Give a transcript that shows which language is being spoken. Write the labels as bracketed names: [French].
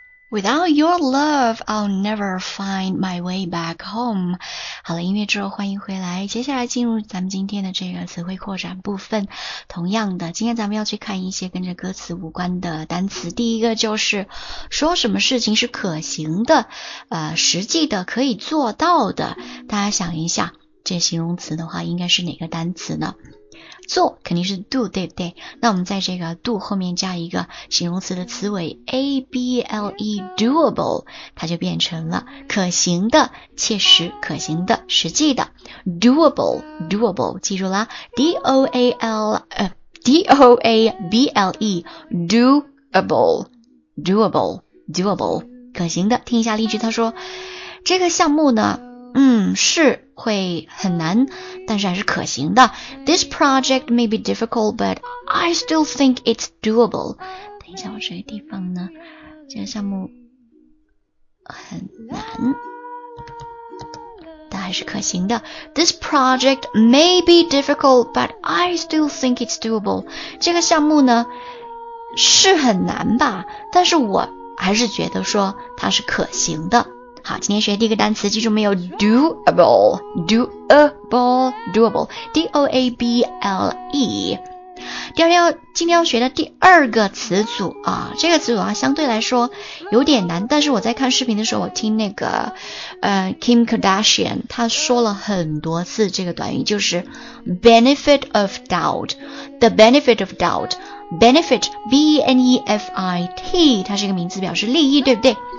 [English] Without your love, I'll never find my way back home. [Chinese] 好了，音乐之后欢迎回来。接下来进入咱们今天的这个词汇扩展部分。同样的，今天咱们要去看一些跟着歌词无关的单词。第一个就是说什么事情是可行的，实际的，可以做到的。大家想一下，这形容词的话应该是哪个单词呢？做肯定是 do 对不对？那我们在这个 do 后面加一个形容词的词尾 able doable， 它就变成了可行的、切实、可行的、实际的 doable doable， 记住啦 doable doable doable doable 可行的。听一下例句，他说这个项目呢，是会很难，但是还是可行的。 [English] This project may be difficult, but I still think it's doable. [Chinese] 等一下，我这个地方呢，这个项目很难，但还是可行的。 [English] This project may be difficult, but I still think it's doable. [Chinese] 这个项目呢，是很难吧，但是我还是觉得说它是可行的。好，今天学第一个单词，记住没有 doable doable doable doable。今天要学的第二个词组啊，这个词组啊相对来说有点难，但是我在看视频的时候，我听那个Kim Kardashian 他说了很多次这个短语，就是 [English] benefit of doubt， the benefit of doubt， benefit benefit， [Chinese] 它是一个名词，表示利益，对不对？